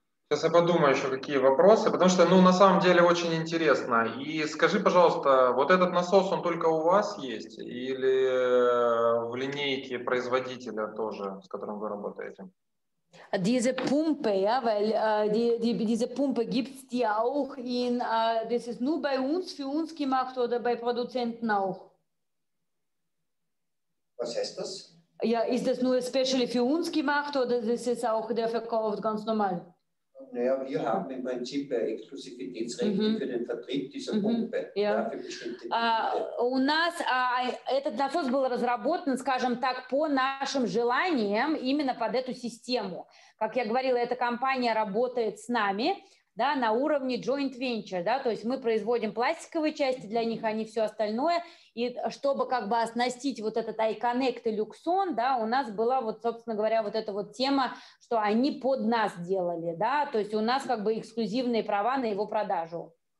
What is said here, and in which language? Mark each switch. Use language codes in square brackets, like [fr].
[ru] Сейчас я подумаю еще, какие вопросы, потому что, ну, на самом деле очень интересно. И скажи, пожалуйста, вот этот насос, он только у вас есть или в линейке производителя тоже, с которым вы работаете? [de] Diese Pumpe, ja, weil diese Pumpe gibt's die auch in, das ist nur bei uns, für uns gemacht oder bei Produzenten auch? Was heißt das? Ja, ist das nur especially für uns gemacht oder das ist auch der verkauft ganz normal? Naja, wir haben im Prinzip Exklusivitätsrechte für den Vertrieb dieser Pumpe. Ja. [ru] У нас этот насос был разработан, скажем так, по нашим желаниям, именно под эту систему. Как я говорила, эта компания работает с нами, да, на уровне joint venture, да, то есть мы производим пластиковые части для них, они все остальное, и чтобы как бы оснастить вот этот iConnect и Luxon, да, у нас была вот, собственно говоря, вот эта вот тема, что они под нас делали, да, то есть у нас как бы эксклюзивные права на его продажу.